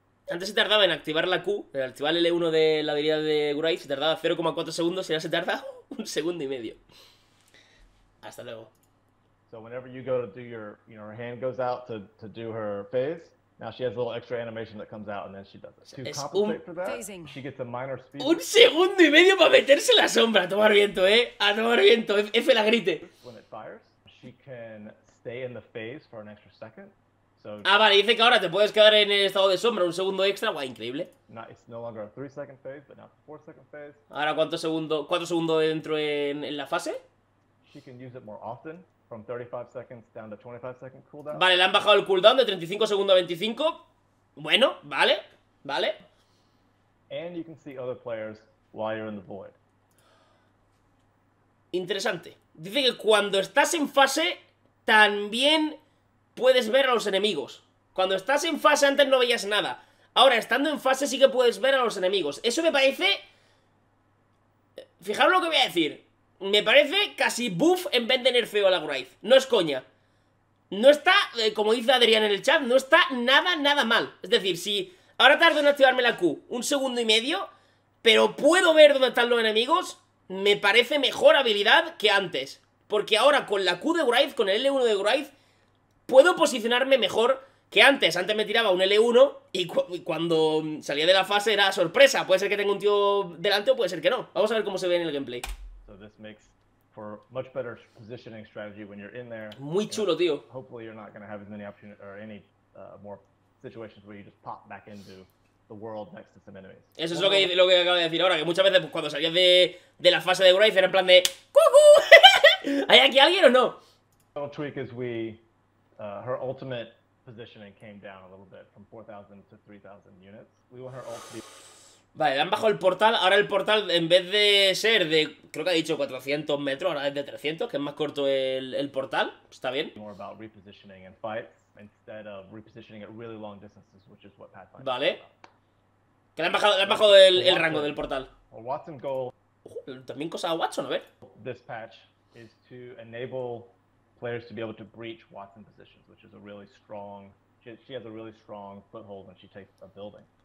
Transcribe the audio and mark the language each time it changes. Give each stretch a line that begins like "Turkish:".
Spanish: Antes se tardaba en activar la Q, en activar el L1 de la habilidad de Wraith, se tardaba 0.4 segundos y ahora se tarda un segundo y medio. Hasta luego.
English: So whenever you go to do your, you know, her hand goes out to do her phase. Now she has a little extra animation that comes out and then she does it. To
Spanish: es
English: compensate for that, phasing. She gets a minor speed.
Spanish: Un segundo y medio para meterse la sombra. A tomar viento, eh. A tomar viento. F la grite.
English: When it fires, she can stay in the phase for an extra second. So
Spanish: ah, vale. Dice que ahora te puedes quedar en el estado de sombra. Un segundo extra. Guay, increíble.
English: No, it's no longer a 3-second phase, but now it's a 4-second phase.
Spanish: Ahora, ¿cuánto segundo dentro en la fase?
English: She can use it more often. From 35 seconds down to 25 second cooldown.
Spanish: Vale, le han bajado el cooldown de 35 segundos a 25. Bueno, vale, vale.
English: And you can see other players while you're in the void.
Spanish: Interesante. Dice que cuando estás en fase, también puedes ver a los enemigos. Cuando estás en fase, antes no veías nada. Ahora, estando en fase, sí que puedes ver a los enemigos. Eso me parece... fijaros lo que voy a decir. Me parece casi buff en vez de nerfeo a la Wraith. No es coña. No está, como dice Adrián en el chat, no está nada, nada mal. Es decir, si ahora tardo en activarme la Q un segundo y medio, pero puedo ver dónde están los enemigos, me parece mejor habilidad que antes. Porque ahora con la Q de Wraith, con el L1 de Wraith, puedo posicionarme mejor que antes me tiraba un L1 y cuando salía de la fase era sorpresa. Puede ser que tenga un tío delante o puede ser que no. Vamos a ver cómo se ve en el gameplay.
English: So this makes for much better positioning strategy when you're in there.
Spanish: Muy chulo, tío.
English: Hopefully you're not going to have as many opportunities or any more situations where you just pop back into the world next to some enemies.
Spanish: Eso es lo que acabo de decir ahora, que muchas veces pues, cuando salías de la fase de Wraith era en plan de ¡cucú! ¿Hay aquí alguien o no?
English: The little tweak is we her ultimate positioning came down a little bit from 4,000 to 3,000 units. We want her ult to be...
Spanish: Vale, le han bajado el portal. Ahora el portal, en vez de ser de, creo que ha dicho 400 metros, ahora es de 300, que es más corto el portal. Está bien.
English: More about repositioning and fight instead of repositioning at really long distances, which is what Pathfinder.
Spanish: Vale. Que le han bajado el rango del portal.
English: Well, Watson goal.
Spanish: También cosa a Watson, a ver.
English: This patch is to enable players to be able to breach Watson positions, which is a really strong. She has a really strong foothold when she takes a building.